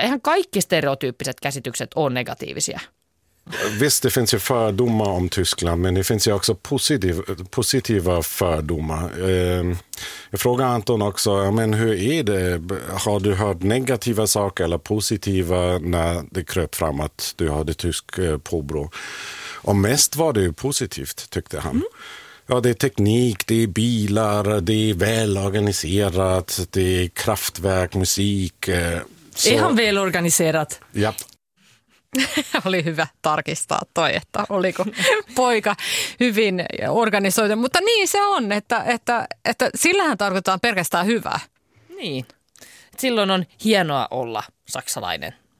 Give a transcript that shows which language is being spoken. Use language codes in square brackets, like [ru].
[fi] Eihän kaikki stereotyyppiset käsitykset ole negatiivisia. [sv] Visst, det finns ju fördomar om Tyskland, men det finns ju också positiva fördomar. Jag frågar Anton också, men hur är det? Har du hört negativa saker eller positiva när det kröp fram att du hade tysk påbrå? Och mest var det ju positivt, tyckte han. Mm. Ja, det är teknik, det är bilar, det är välorganiserat, det är kraftverk, musik. Är han välorganiserat? Ja. [fi] Oli hyvä tarkistaa toi, että oliko poika hyvin organisoitu. Mutta niin se on, että sillähän tarkoitetaan pelkästään hyvää. Niin. Silloin on hienoa olla saksalainen.